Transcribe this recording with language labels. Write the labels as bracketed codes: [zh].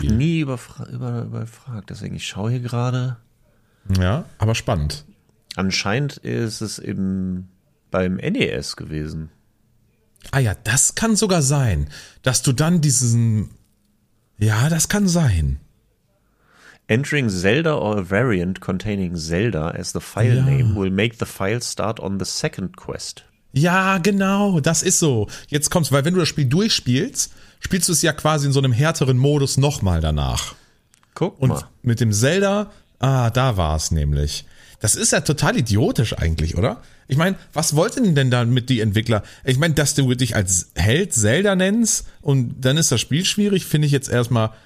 [de] habe es auch nie überfragt. Deswegen, ich schaue hier gerade. Ja, aber spannend. Anscheinend ist es eben beim NES gewesen. Ah ja, das kann sogar sein, dass du dann diesen... Ja, das kann sein. [en] Entering Zelda or a variant containing Zelda as the file name will make the file start on the second quest. [de] Ja, genau, das ist so. Jetzt kommst, weil wenn du das Spiel durchspielst, spielst du es ja quasi in so einem härteren Modus nochmal danach. Guck und mal. Mit dem Zelda, da war es nämlich. Das ist ja total idiotisch eigentlich, oder? Ich meine, was wollten denn damit die Entwickler? Ich meine, dass du dich als Held Zelda nennst und dann ist das Spiel schwierig, finde ich jetzt erstmal...